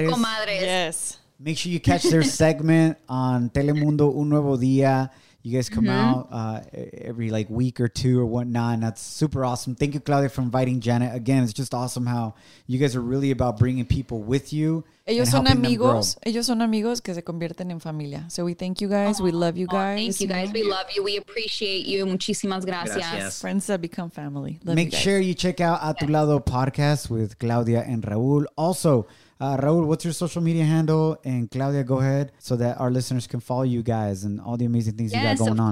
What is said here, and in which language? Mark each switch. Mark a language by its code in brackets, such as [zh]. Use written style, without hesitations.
[en] We're officially comadres. Yes. Make sure you catch their segment on Telemundo Un Nuevo Día. You guys come out every like week or two or whatnot. And that's super awesome. Thank you, Claudia, for inviting Janet. Again, it's just awesome how you guys are really about bringing people with you. [es] Ellos son amigos. Ellos son amigos que se convierten en familia. [en] So we thank you guys. We love you guys. Thank you guys. We love you. We appreciate you. [es] Muchísimas gracias. Gracias. [en] Friends that become family. Love Make you guys. Sure you check out A Tu Lado podcast with Claudia and Raúl. Also, Raúl, what's your social media handle? And Claudia, go ahead so that our listeners can follow you guys and all the amazing things you got going on.